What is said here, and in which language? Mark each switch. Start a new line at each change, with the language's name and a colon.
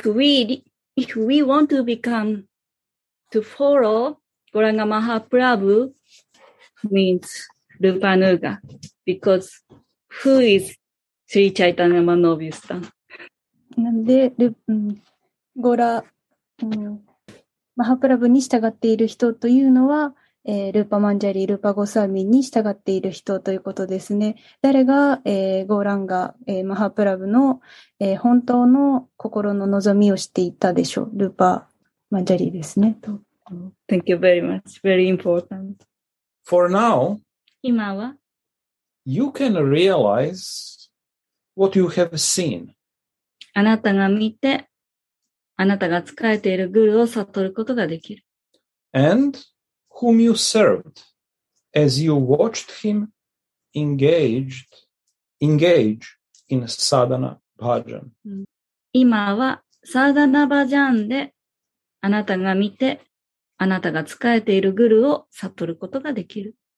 English: If we want to become, to follow,Goranga Mahaprabhu means Rupa Nuga because who is Sri Chaitanya Manovistan?
Japanese: なんで、ゴラ、マハプラブに従っている人というのは、ルーパマンジャリ、ルーパゴサミに従っている人ということですね。誰が、ゴーランガ、マハプラブの、本当の心の望みを知っていたでしょう。ルーパマンジャリですね。と。
English: Thank you very much. Very important. For now,
Japanese: 今は?
English: You can realize what you have seen.
Japanese: あなたが見て、あなたが仕えているグルを悟ることができる。
English: And whom you served as you watched him engage in sadhana bhajan.
Japanese: 今は、sadhana bhajan で、あなたが見て、あなたが仕えているグルを悟ることができる。